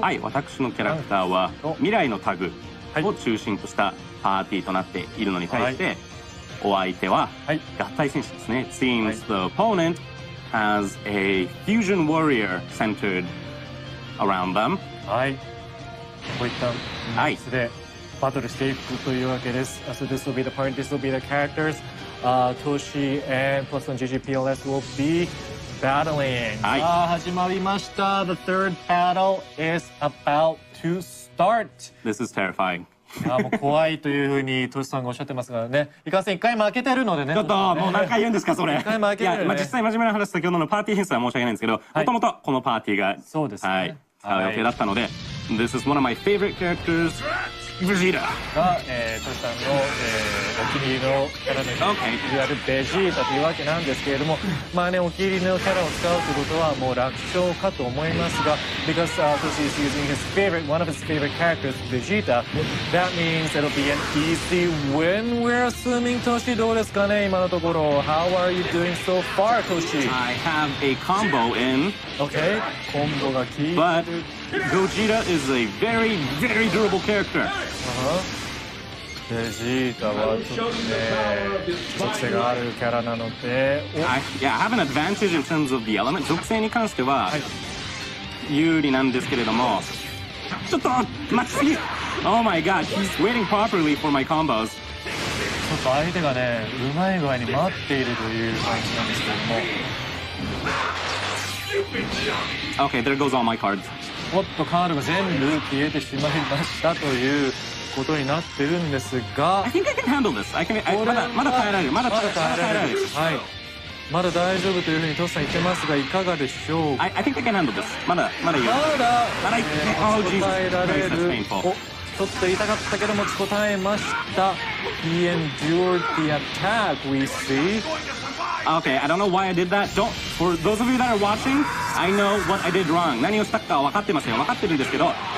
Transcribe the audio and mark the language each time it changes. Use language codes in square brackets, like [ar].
[ja] はい、私のキャラクターは、未来のタグを中心としたパーティーとなっているのに対して、はい、お相手は、合体戦士ですね。 [en] はい、Seems the opponent. Has a fusion warrior centered around them. [ja] はい。こういった形でバトルしていくというわけです。 [en] So this will be the part. This will be the characters. Toshi and plus one GGPLS will be battling. [ja] はい。始まりました。 [en] The third battle is about to start. This is terrifying. [ja] もう怖いというふうにトシさんがおっしゃってますからね。いかんせん一回負けてるのでね。ちょっと、もう何回言うんですか、それ。一回負けてる、ね。いや、まあ、実際真面目な話、先ほどのパーティー編成は申し訳ないんですけど、もともとこのパーティーが、そうですね。はい。予定だったので、はい、 [en] This is one of my favorite characters, ベジータ。 [ja] が、トシさんの、お気に入りのキャラです。 [en] Okay. [ja] いわゆるベジータというわけなんですけれども、まあね、お気に入りのキャラを使うということはもう楽勝かと思いますが、 [en] because Toshi is using his favorite, one of his favorite characters, Vegeta, that means it'll be an easy win. We're assuming, Toshi, [ja] どうですかね、今のところ。 [en] How are you doing so far, Toshi? I have a combo in. [ja] Okay, コンボが効いて。 [en] But Gogeta is a very, very durable character. [ja] ベジータはちょっとね、属性があるキャラなので。 [en] I have an advantage in terms of the element. [ja] 属性に関しては、有利なんですけれども、ちょっと待ちすぎ。 [en] Oh my god, he's waiting properly for my combos. [ja] ちょっと相手がね、うまい具合に待っているという感じなんですけれども。 [en] Okay, there goes all my cards. [ja] おっと、カードが全部消えてしまいましたという。ことになってるんですが、 [en] I think I can handle this. I can, I, [ja] まだ耐えられる、まだ耐えられる、はい、まだ大丈夫というふうにトシさん言ってますが、いかがでしょうか。 [en] I think I can handle this. [ja] まだ言える。まだ耐えられる。 [en] Oh, Jesus. Very painful. [ja] ちょっと痛かったけど持ちこたえました。 [en] He endured the attack. We see. Okay, I don't know why I did that. Don't, for those of you that are watching, I know what I did wrong. [ja] 何をしたか分かってますよ。分かってるんですけど。